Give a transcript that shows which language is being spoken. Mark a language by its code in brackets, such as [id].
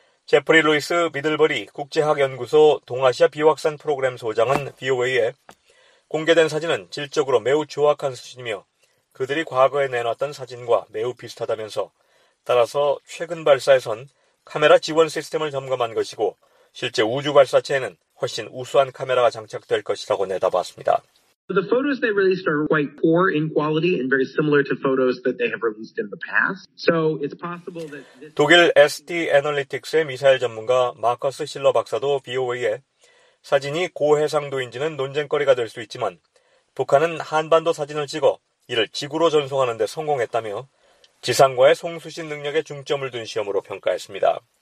[ko] 제프리 루이스 미들버리 국제학연구소 동아시아 비확산 프로그램 소장은 VOA에 공개된 사진은 질적으로 매우 조악한 수준이며 그들이 과거에 내놨던 사진과 매우 비슷하다면서 따라서 최근 발사에선 카메라 지원 시스템을 점검한 것이고 실제 우주 발사체에는 훨씬 우수한 카메라가 장착될 것이라고 내다봤습니다. [en] The photos they released are quite poor in quality and very similar to photos that they have released in the past. So it's possible that [ko] 독일 SD 애널리틱스의 미사일 전문가 마커스 실러 박사도 BOA에 사진이 고해상도인지는 논쟁거리가 될 수 있지만 북한은 한반도 사진을 찍어 이를 지구로 전송하는 데 성공했다며 지상과의 송수신 능력에 중점을 둔 시험으로 평가했습니다.